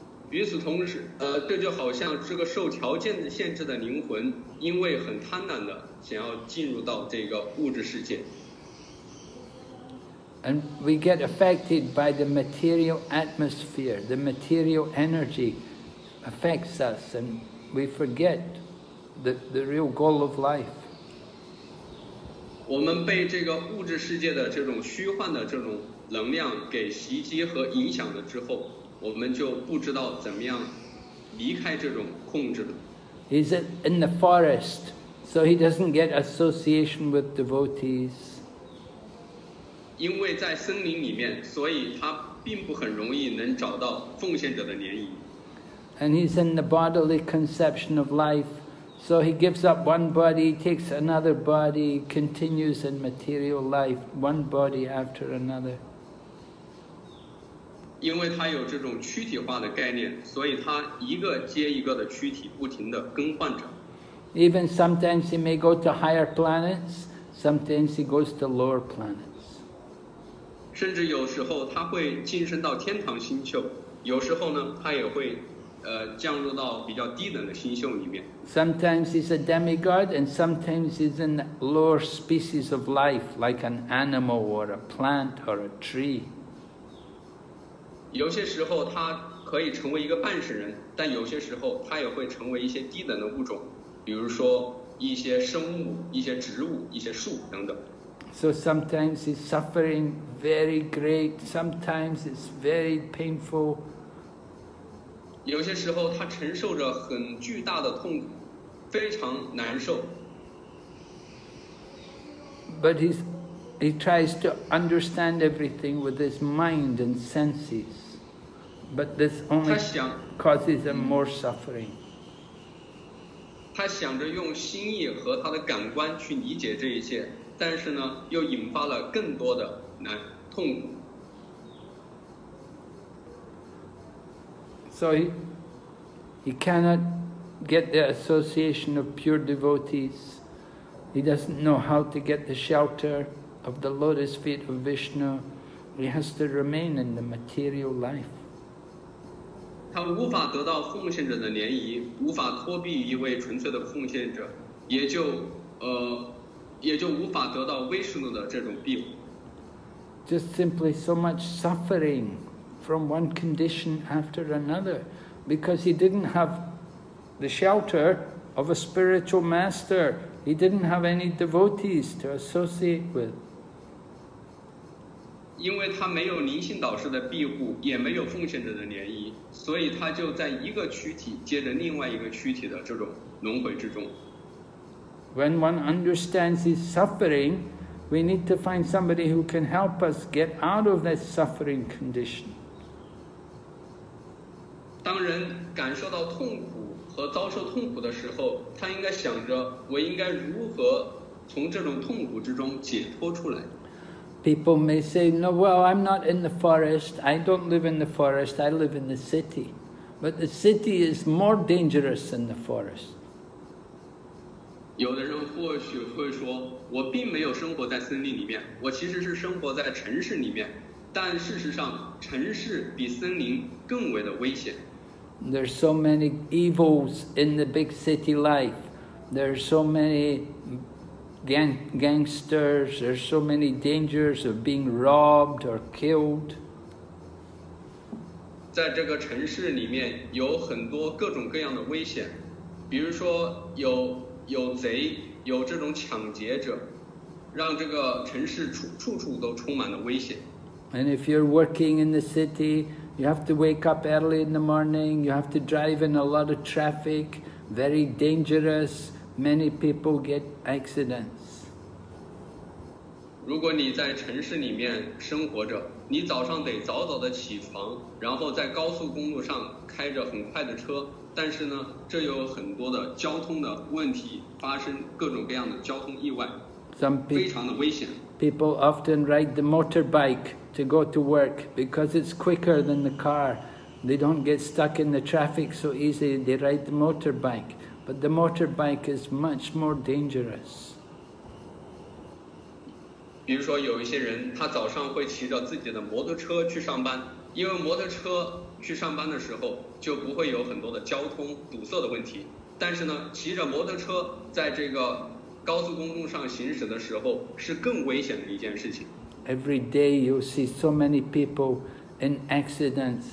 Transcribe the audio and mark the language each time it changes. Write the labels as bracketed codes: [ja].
[zh] 与此同时，这就好像这个受条件的限制的灵魂，因为很贪婪的想要进入到这个物质世界。 [en] And we get affected by the material atmosphere, the material energy affects us, and we forget the real goal of life. [zh] 我们被这个物质世界的这种虚幻的这种能量给袭击和影响了之后。我们就不知道怎么样离开这种控制了。 [en] He's in the forest, so he doesn't get association with devotees. [zh] 因为在森林里面，所以他并不很容易能找到奉献者的联谊。 [en] And he's in the bodily conception of life, so he gives up one body, takes another body, continues in material life, one body after another. [zh] 因为他有这种躯体化的概念，所以他一个接一个的躯体不停地更换着。 [en] Even sometimes he may go to higher planets, sometimes he goes to lower planets. [zh] 甚至有时候他会晋升到天堂星宿，有时候呢，他也会，降落到比较低等的星宿里面。 [en] Sometimes he's a demigod, and sometimes he's in lower species of life, like an animal or a plant or a tree. [zh] 有些时候他可以成为一个半神人，但有些时候他也会成为一些低等的物种，比如说一些生物、一些植物、一些树等等。 [en] So sometimes he's suffering very great, sometimes it's very painful. [zh] 有些时候他承受着很巨大的痛苦，非常难受。 [en] But he tries to understand everything with his mind and senses. But this only causes him more suffering. [zh] 他想着用心意和他的感官去理解这一切，但是呢，又引发了更多的难痛苦。 [en] So he cannot get the association of pure devotees. He doesn't know how to get the shelter of the lotus feet of Vishnu. He has to remain in the material life. [zh] 他无法得到奉献者的联谊，无法脱避一位纯粹的奉献者，也就无法得到威士努的这种庇护。 [en] Just simply so much suffering from one condition after another, because he didn't have the shelter of a spiritual master, he didn't have any devotees to associate with. [zh] 因为他没有灵性导师的庇护，也没有奉献者的涟漪，所以他就在一个躯体接着另外一个躯体的这种轮回之中。 [en] When one understands his suffering, we need to find somebody who can help us get out of that suffering condition. [zh] 当人感受到痛苦和遭受痛苦的时候，他应该想着我应该如何从这种痛苦之中解脱出来。 [en] People may say, no, well, I'm not in the forest. I don't live in the forest. I live in the city. But the city is more dangerous than the forest. [zh] 有的人或许会说，我并没有生活在森林里面，我其实是生活在城市里面。但事实上，城市比森林更为的危险。 [en] There's so many evils in the big city life. There's so many gangsters. There's so many dangers of being robbed or killed. [zh] 在这个城市里面有很多各种各样的危险，比如说有贼，有这种抢劫者，让这个城市处处都充满了危险。 [en] And if you're working in the city, you have to wake up early in the morning. You have to drive in a lot of traffic. Very dangerous. Many people get accidents. [zh] 如果你在城市里面生活着，你早上得早早的起床，然后在高速公路上开着很快的车。但是呢，这有很多的交通的问题发生，各种各样的交通意外，非常的危险。 [en] People often ride the motorbike to go to work because it's quicker than the car. They don't get stuck in the traffic so easily. They ride the motorbike, but the motorbike is much more dangerous. [zh] 比如说，有一些人他早上会骑着自己的摩托车去上班，因为摩托车去上班的时候就不会有很多的交通堵塞的问题。但是呢，骑着摩托车在这个高速公路上行驶的时候是更危险的一件事情。 [en] Every day you see so many people in accidents.